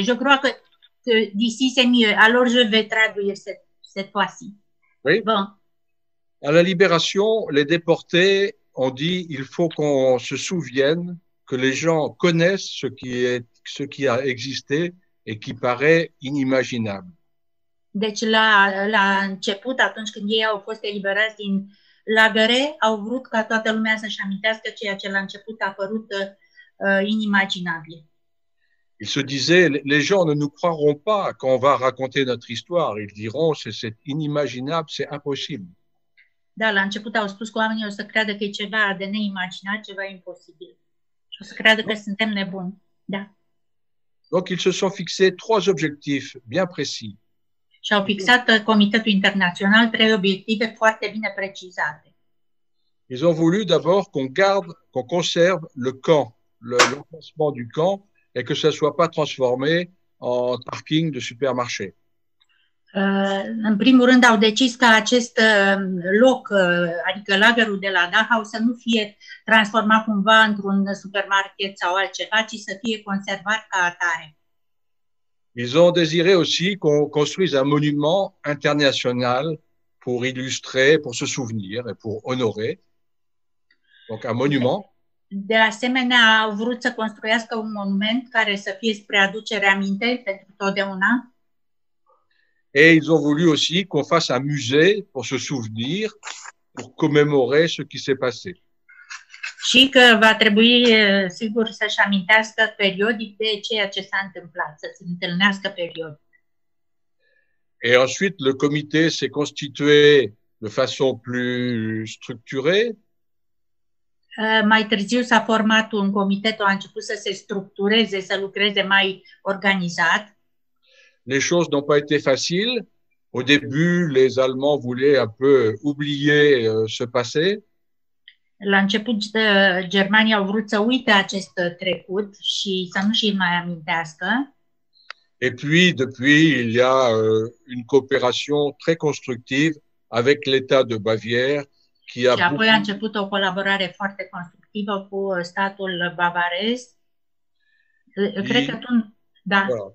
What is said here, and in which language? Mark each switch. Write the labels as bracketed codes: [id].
[fr] Je crois que d'ici c'est mieux. Alors je vais traduire cette fois-ci. Oui. Bon. À la libération, les déportés ont dit il faut qu'on se souvienne que les gens connaissent ce qui a existé et qui paraît inimaginable. [ro] Deci la început, atunci când ei au fost eliberați din lagăre, au vrut ca toată lumea să-și amintească ceea ce la început a părut inimaginabil. [fr] Il se disait, les gens ne nous croiront pas quand on va raconter notre histoire. Ils diront, c'est inimaginable, c'est impossible. [ro] Da, la început au spus că oamenii o să creadă că e ceva de neimaginat, ceva imposibil. Și o să creadă că suntem nebuni. Da. [fr] Donc, ils se sont fixés trois objectifs bien précis. [ro] Și-au fixat Comitetul Internațional trei obiective foarte bine precizate. [fr] Ils ont voulu d'abord qu'on garde, qu'on conserve le camp, l'emplacement du camp, et que ça ne soit pas transformé en parking de supermarché. [ro] În primul rând au decis ca acest loc, adică lagerul de la Dachau, să nu fie transformat cumva într-un supermarket sau altceva, ci să fie conservat ca atare. [fr] Ils ont désiré aussi qu'on construise un monument international pour illustrer, pour se souvenir et pour honorer. Donc un monument. [ro] De asemenea, au vrut să construiască un monument care să fie spre aducere aminte pentru totdeauna. [fr] Et ils ont voulu aussi qu'on fasse un musée pour se souvenir, pour commémorer ce qui s'est passé. [ro] Și că va trebui, sigur, să-și amintească periodic de ceea ce s-a întâmplat, să se întâlnească periodic. [fr] Et ensuite, le comité s'est constitué de façon plus structurée. [ro] Mai târziu s-a format un comitet, a început să se structureze, să lucreze mai organizat. [fr] Les choses n'ont pas été faciles. Au début, les Allemands voulaient un peu oublier ce passé. [ro] La început, Germania au vrut să uite acest trecut și să nu și-l mai amintească. [fr] Et puis, depuis, il y a une coopération très constructive avec l'État de Bavière qui a... [ro] Și apoi [fr] beaucoup... [ro] a început o colaborare foarte constructivă cu statul bavarez. Cred că tu... Da.